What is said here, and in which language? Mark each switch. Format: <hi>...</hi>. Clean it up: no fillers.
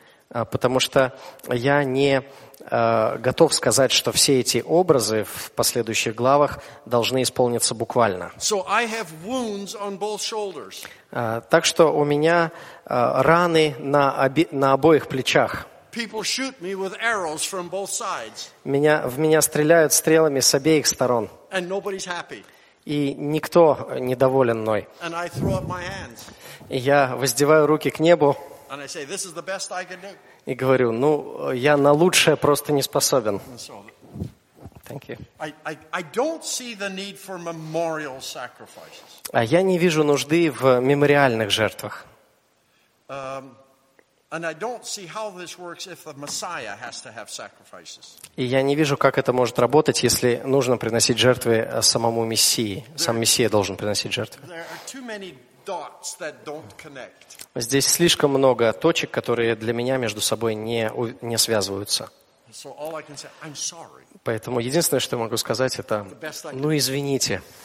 <ru>Потому что я не готов сказать, что все эти образы в последующих главах должны исполниться буквально.</ru> <en>So I have wounds on both shoulders.</en> <ru>Так что у меня раны на обоих плечах.</ru> <en>People shoot me with arrows from both sides.</en> <ru>В меня стреляют стрелами с обеих сторон.</ru> <en>And nobody's happy.</en> <ru>И никто недоволен мной.</ru> <en>And I throw up my hands.</en> <ru>Я воздеваю руки к небу.</ru> <en>And I say, this is the best I can do.</en> <ru>И говорю, ну, я на лучшее просто не способен.</ru> <en>Thank you. I don't see the need for memorial sacrifices.</en> <ru>А я не вижу нужды в мемориальных жертвах.</ru> <en>And I don't see how this works if the Messiah has to have sacrifices.</en> <ru>И я не вижу, как это может работать, если нужно приносить жертвы самому Мессии. Сам Мессия должен приносить жертвы.</ru> <en>There are too many dots that don't connect.</en> <ru>Здесь слишком много точек, которые для меня между собой не связываются.</ru> <en>So all I can say, I'm sorry.</en> <ru>Поэтому единственное, что я могу сказать, это ну, извините.</ru>